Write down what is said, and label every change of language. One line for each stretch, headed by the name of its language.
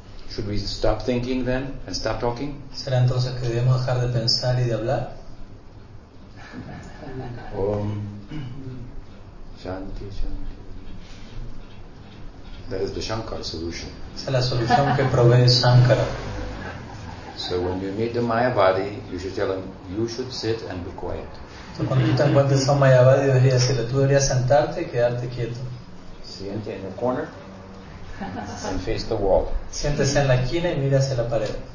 English: Should we stop thinking then and stop talking?
Spanish: ¿Será entonces que debemos dejar de pensar y de hablar?
Sanskrit: Om Shanti Shanti.
English: That is the Shankara solution.
Spanish: Esa es la solución que provee Shankara.
English: So when you meet the Mayavadi, you should tell him you should sit and be quiet.
Spanish: So cuando tú te encuentres con Mayavadi, deberías decirle, tú deberías sentarte y quedarte quieto. Siente en el
English: corner and face the wall.
Spanish: Siéntese en la esquina y mira hacia la pared.